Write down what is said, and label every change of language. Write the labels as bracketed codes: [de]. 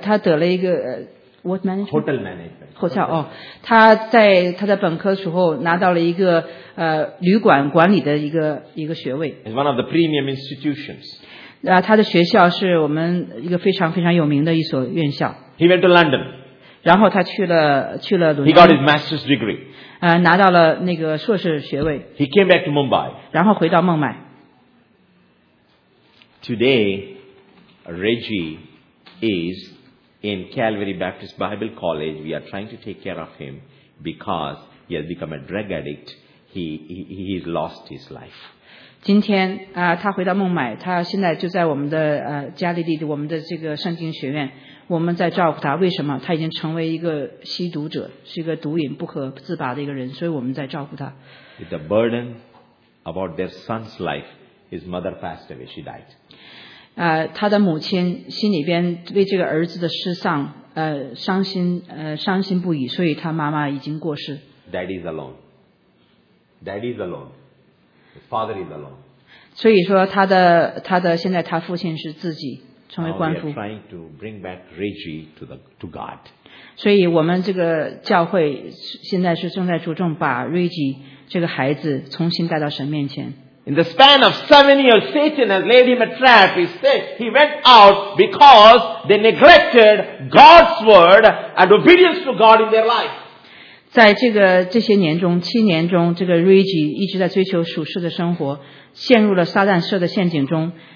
[zh] 他得了一个。 [en] What management? Hotel management. Hotel, oh. [zh] 他在本科时候拿到了一个旅馆管理的一个学位。 [en] It's one of the premium institutions. [zh] 他的学校是我们一个非常非常有名的一所院校。 [en] He went to London. [zh] 然后他去了伦敦。 [en] He got his master's degree. [zh] 拿到了那个硕士学位。 [en] He came back to Mumbai. [zh] 然后回到孟买。 [en] Today, Reggie is... In Calvary Baptist Bible College, we are trying to take care of him because he has become a drug addict. He has lost his life. [zh] 今天他回到孟买，他现在就在我们的加利利的我们的这个圣经学院，我们在照顾他。为什么？他已经成为一个吸毒者，是一个毒瘾不可自拔的一个人，所以我们在照顾他。 [en] With the burden about their son's life, his mother passed away. She died. [zh] 他的母亲心里边为这个儿子的失丧伤心不已，所以他妈妈已经过世。 [en] Daddy's alone. Daddy's alone. His father is alone. [zh] 所以说他的现在他父亲是自己成为官夫。 [en] Now we are trying to bring back Reggie to God. [zh] 所以我们这个教会现在是正在着重把 Reggie 这个孩子重新带到神面前。 [en] In the span of 7 years, Satan has laid him a trap. He said he went out because they neglected God's word and obedience to God in their life. [zh] 在这些年中，七年中，这个 Reggie 一直在追求属世的生活，陷入了撒旦设的陷阱中。